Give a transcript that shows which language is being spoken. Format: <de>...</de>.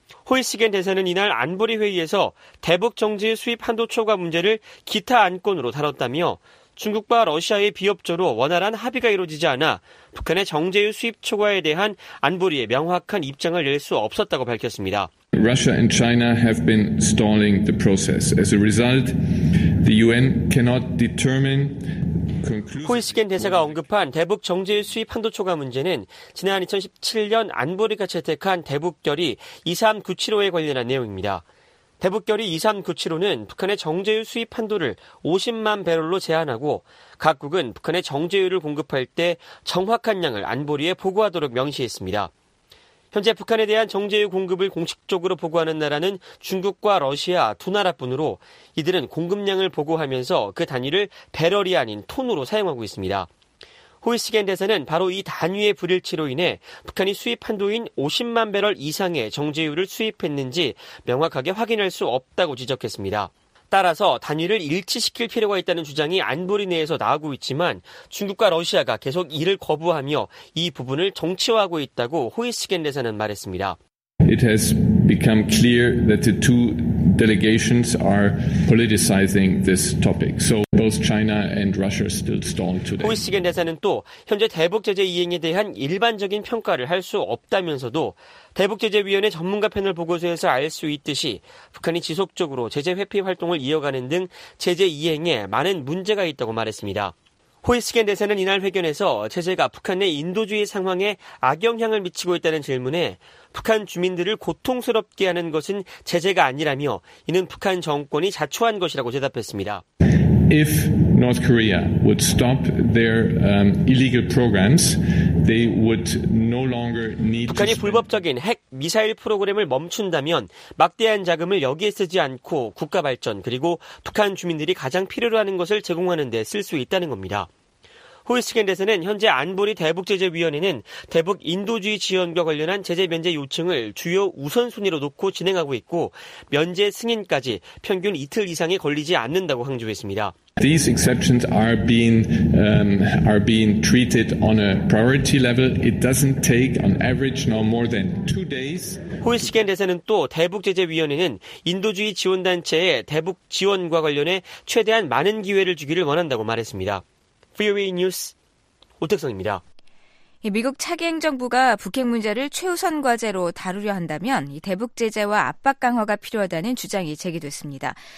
<ko>호이스겐 대사는 이날 안보리 회의에서 대북 정제 수입 한도 초과 문제를 기타 안건으로 다뤘다며 중국과 러시아의 비협조로 원활한 합의가 이루어지지 않아 북한의 정제유 수입 초과에 대한 안보리의 명확한 입장을 낼 수 없었다고 밝혔습니다.</ko> <en>Russia and China have been stalling the process. As a result, the UN cannot determine</en> <ko>호이스겐 대사가 언급한 대북 정제유 수입 한도 초과 문제는 지난 2017년 안보리가 채택한 대북결의 23975에 관련한 내용입니다. 대북결의 23975는 북한의 정제유 수입 한도를 50만 배럴로 제한하고 각국은 북한의 정제유를 공급할 때 정확한 양을 안보리에 보고하도록 명시했습니다. 현재 북한에 대한 정제유 공급을 공식적으로 보고하는 나라는 중국과 러시아 두 나라뿐으로 이들은 공급량을 보고하면서 그 단위를 배럴이 아닌 톤으로 사용하고 있습니다. 호이스겐 대사는 바로 이 단위의 불일치로 인해 북한이 수입 한도인 50만 배럴 이상의 정제유를 수입했는지 명확하게 확인할 수 없다고 지적했습니다. 따라서 단위를 일치시킬 필요가 있다는 주장이 안보리 내에서 나오고 있지만 중국과 러시아가 계속 이를 거부하며 이 부분을 정치화하고 있다고 호이스겐 대사는 말했습니다.</ko> <en>It has become clear that the two delegations are politicizing this topic. So both China and Russia are still stalling today.</en> <ko>호이스겐 대사는 또 현재 대북 제재 이행에 대한 일반적인 평가를 할 수 없다면서도 대북제재위원회 전문가 패널 보고서에서 알 수 있듯이 북한이 지속적으로 제재 회피 활동을 이어가는 등 제재 이행에 많은 문제가 있다고 말했습니다. 호이스겐 대사는 이날 회견에서 제재가 북한 내 인도주의 상황에 악영향을 미치고 있다는 질문에 북한 주민들을 고통스럽게 하는 것은 제재가 아니라며 이는 북한 정권이 자초한 것이라고 대답했습니다.</ko> <en>If North Korea would stop their illegal programs, they would no longer need.</en> <ko>북한이 불법적인 핵 미사일 프로그램을 멈춘다면 막대한 자금을 여기에 쓰지 않고 국가 발전 그리고 북한 주민들이 가장 필요로 하는 것을 제공하는 데 쓸 수 있다는 겁니다. 호이스겐 대사는 현재 안보리 대북제재위원회는 대북 인도주의 지원과 관련한 제재 면제 요청을 주요 우선순위로 놓고 진행하고 있고 면제 승인까지 평균 이틀 이상이 걸리지 않는다고 강조했습니다.</ko> <en>These exceptions are being treated on a priority level. It doesn't take on average no more than 2 days.</en> <ko>호이스겐 대사는 또 대북제재위원회는 인도주의 지원단체의 대북 지원과 관련해 최대한 많은 기회를 주기를 원한다고 말했습니다. VOA 뉴스 오택성입니다. 미국 차기 행정부가 북핵 문제를 최우선 과제로 다루려 한다면 대북 제재와 압박 강화가 필요하다는 주장이 제기됐습니다.</ko>